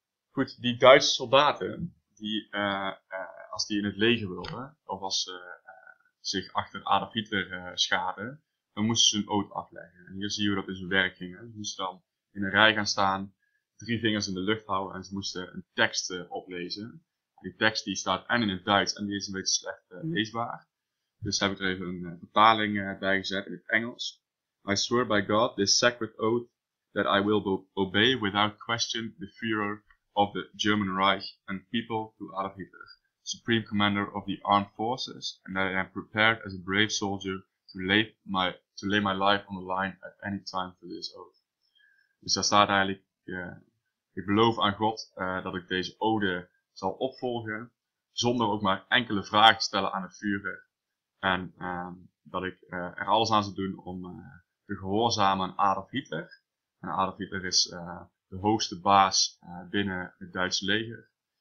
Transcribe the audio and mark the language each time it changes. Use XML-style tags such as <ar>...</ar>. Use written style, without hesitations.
<nl>Goed, die Duitse soldaten, die als die in het leger wilden, of als ze zich achter Adolf Hitler schaarden, dan moesten ze hun oath afleggen. En hier zien we dat in zijn werk gingen. Ze moesten dan in een rij gaan staan, drie vingers in de lucht houden en ze moesten een tekst oplezen. Die tekst die staat en in het Duits en die is een beetje slecht leesbaar. Dus heb ik er even een vertaling bij gezet in het Engels.</nl> <en>I swear by God this sacred oath that I will obey without question the Führer of the German Reich and people to Adolf Hitler, Supreme Commander of the Armed Forces, and that I am prepared as a brave soldier to lay my life on the line at any time for this oath.</en> <nl>Dus daar staat eigenlijk, ik beloof aan God dat ik deze ode zal opvolgen, zonder ook maar enkele vragen te stellen aan de Führer, en dat ik er alles aan zal doen om te gehoorzamen aan Adolf Hitler. En Adolf Hitler is de hoogste baas binnen het Duitse leger.</nl>